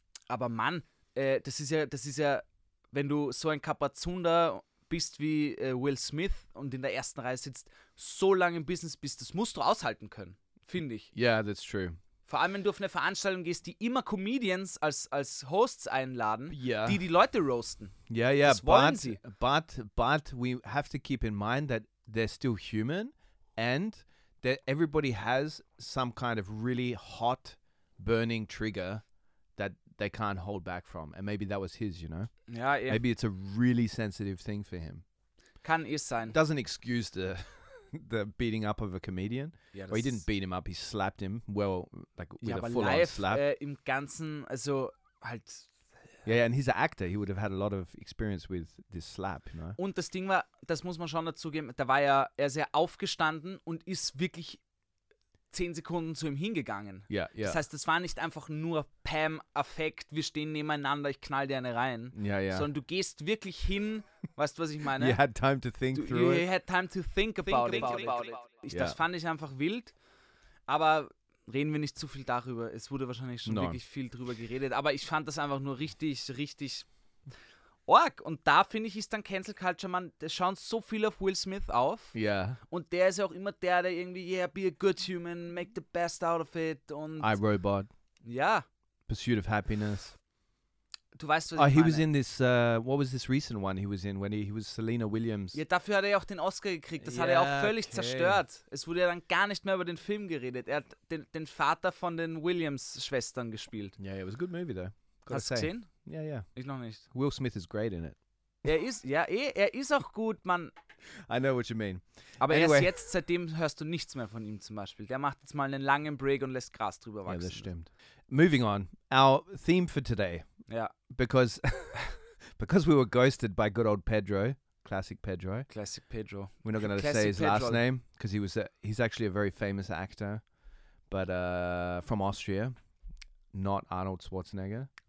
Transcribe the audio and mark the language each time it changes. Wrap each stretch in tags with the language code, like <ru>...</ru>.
<de>Aber Mann, das ist ja, wenn du so ein Kapazunder bist wie Will Smith und in der ersten Reihe sitzt, so lange im Business bist, das musst du aushalten können, finde ich.</de> <en>Yeah, that's true.</en> <de>Vor allem, wenn du auf eine Veranstaltung gehst, die immer Comedians als Hosts einladen,</de> <en>yeah,</en> <de>die Leute roasten.</de> <en>Yeah,</en> <de>das wollen sie.</de> <en>But we have to keep in mind that they're still human and that everybody has some kind of really hot burning trigger that they can't hold back from. And maybe that was his, you know?</en> <de>Ja, eben.</de> <en>Maybe it's a really sensitive thing for him.</en> <de>Kann es sein.</de> <en>Doesn't excuse the beating up of a comedian.</en> <de>Ja,</de> <en>well, he didn't beat him up, he slapped him. Well, like, with a full-on slap.</en> <de>Ja, im Ganzen, also halt...</de> <en>Yeah, and he's an actor. He would have had a lot of experience with this slap, you know?</en> <de>Und das Ding war, das muss man schon dazu geben, da war ja, er sehr aufgestanden und ist wirklich 10 Sekunden zu ihm hingegangen.</de> <en>Yeah.</en> <de>Das heißt, das war nicht einfach nur Pam-Affekt, wir stehen nebeneinander, ich knall dir eine rein.</de> <en>Yeah.</en> <de>Sondern du gehst wirklich hin, weißt du, was ich meine?</de> <en>You had time to think through it. You had time to think about it.</en> <de>Ich,</de> <en>yeah.</en> <de>Das fand ich einfach wild. Aber reden wir nicht zu viel darüber. Es wurde wahrscheinlich schon wirklich viel drüber geredet. Aber ich fand das einfach nur richtig, richtig org. Und da, finde ich, ist dann Cancel Culture, man, da schauen so viel auf Will Smith auf. Ja.</de> <en>Yeah.</en> <de>Und der ist ja auch immer der, der irgendwie, yeah,</de> <en>be a good human, make the best out of it.</en> <de>Und</de> <en>I, Robot.</en> <de>Ja.</de> <en>Pursuit of Happiness.</en> <de>Du weißt, was ich meine.</de> <en>He was in this, what was this recent one he was in, when he was Selena Williams?</en> <de>Ja, dafür hat er ja auch den Oscar gekriegt. Das,</de> <en>yeah,</en> <de>hat er auch völlig, okay, zerstört. Es wurde ja dann gar nicht mehr über den Film geredet. Er hat den Vater von den Williams-Schwestern gespielt. Ja,</de> <en>yeah, it was a good movie, though.</en> <de>Gotta Hast du gesehen? Ja, yeah, ja. Yeah. Ich noch nicht.</de> <en>Will Smith is great in it.</en> <de>Er ist auch gut, man.</de> <en>I know what you mean.</en> <de>Aber anyway, erst jetzt, seitdem hörst du nichts mehr von ihm zum Beispiel. Der macht jetzt mal einen langen Break und lässt Gras drüber wachsen. Ja, das stimmt.</de> <en>Moving on. Our theme for today.</en> <de>Ja.</de> <en>Because we were ghosted by good old Pedro. Classic Pedro. Classic Pedro. We're not going to say his last name. Because he's actually a very famous actor. But from Austria. Not Arnold Schwarzenegger.</en>